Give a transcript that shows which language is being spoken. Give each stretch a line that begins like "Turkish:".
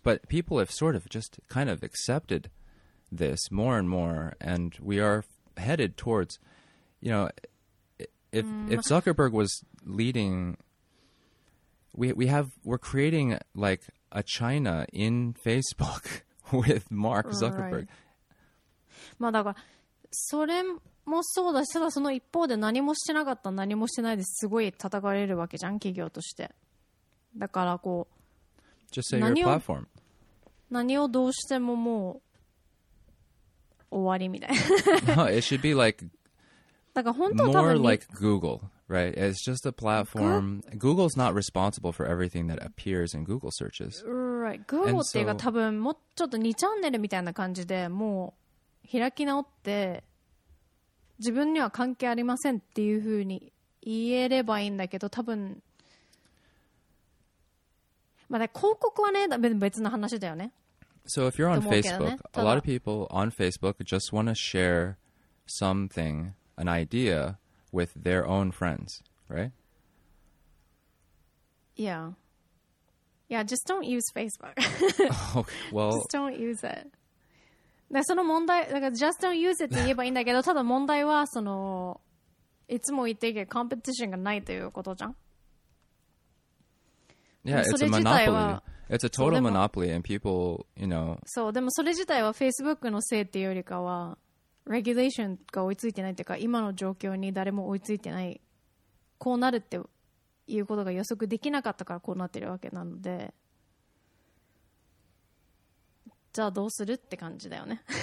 English: But people have sort of just kind of accepted this more and more, and we are headed towards, you know, if Zuckerberg was leading, we're creating like a China in Facebook with Mark Zuckerberg. Well, that's right.
Japanese: それもそうだし、ただその一方で何もしてなかった、何もしてないですごい叩かれるわけじゃん、企業として。だからこう、
English: Just say your platform.
Japanese: 何をどうしてももう終わりみたいな。
English: No, it should be like,
Japanese: だから本当は多
English: 分 more like Google, right? It's just a platform. Google's not responsible for everything that appears in Google searches. Right.
Japanese: Google っていうか多分もうちょっと2チャンネルみたいな感じでもう開き直って自分には関係ありませんっていうふうに言えればいいんだけど、多分まだ広告はね、別の話だよね。
English: So if you're on Facebook, a lot of people on Facebook just want to share something, an idea with their own friends, right? Yeah. Yeah, just don't use Facebook. Okay, well, just don't use it
Japanese: その問題、だから just don't use it って言えばいいんだけど、ただ問題はそのいつも言っているけど、コンペティションがないということじゃん。
English: Yeah, it's a monopoly. It's a total monopoly, and people, you know.
Japanese: そう、でもそれ自体は Facebook のせいっていうよりかは、regulation が追いついてないっていうか、今の状況に誰も追いついてない、こうなるっていうことが予測できなかったからこうなってるわけなので。じゃあどうするって感じだよね。